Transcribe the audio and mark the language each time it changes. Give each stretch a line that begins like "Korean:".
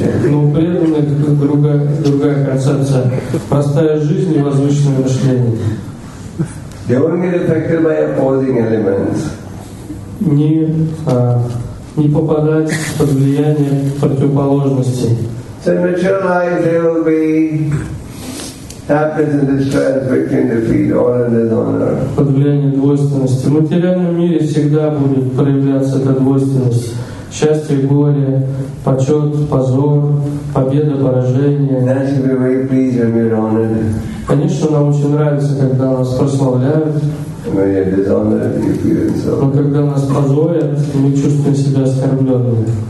Russian: Но у преданных это другая концепция. Простая жизнь и возвышенное мышление.
English: They won't get affected by opposing elements.
Russian: Не попадать под влияние противоположностей.
English: So in mature life there will be happiness and distress, victory and defeat, honor and dishonor.
Russian: Под влиянием двойственности. В материальном мире всегда будет проявляться эта двойственность. Счастье и горе, почет, позор, победа, поражение.
English: Naturally, we're very pleased when we're honored.
Russian: Конечно, нам очень нравится, когда нас прославляют. Но когда нас позорят, мы чувствуем себя оскорбленными.